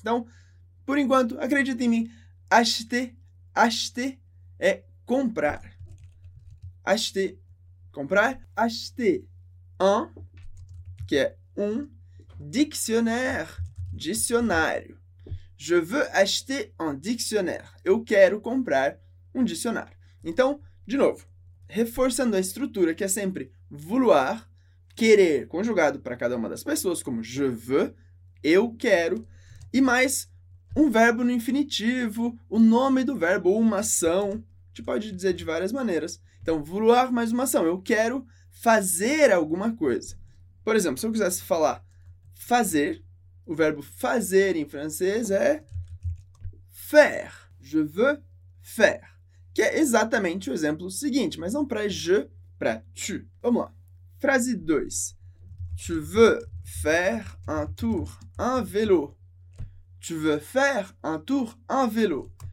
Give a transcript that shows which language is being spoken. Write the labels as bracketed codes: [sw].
[pt] Então, por enquanto, acredita em mim. Acheter, acheter é comprar. Acheter, comprar. Acheter un, que é um, dictionnaire, dicionário. [fr] Je veux acheter un dictionnaire. [pt] Eu quero comprar um dicionário. Então, de novo, reforçando a estrutura, que é sempre vouloir, querer, conjugado para cada uma das pessoas, como [fr] je veux, [pt] eu quero, e mais um verbo no infinitivo, o nome do verbo, ou uma ação, a gente pode dizer de várias maneiras. Então, vouloir mais uma ação, eu quero fazer alguma coisa. Por exemplo, se eu quisesse falar fazer, o verbo fazer em francês é faire. [fr] Je veux faire. [pt] Que é exatamente o exemplo seguinte, mas não para je, para tu. Vamos lá. Frase 2. [fr] Tu veux faire un tour en vélo. Tu veux faire un tour en vélo.